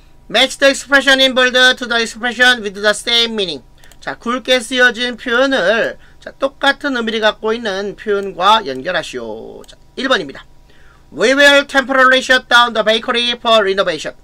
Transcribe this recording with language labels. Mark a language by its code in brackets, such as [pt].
[en] Match the expression in bold to the expression with the same meaning. [ko] 자, 굵게 쓰여진 표현을 자, 똑같은 의미를 갖고 있는 표현과 연결하시오. 자, 1번입니다. [en] We will temporarily shut down the bakery for renovation.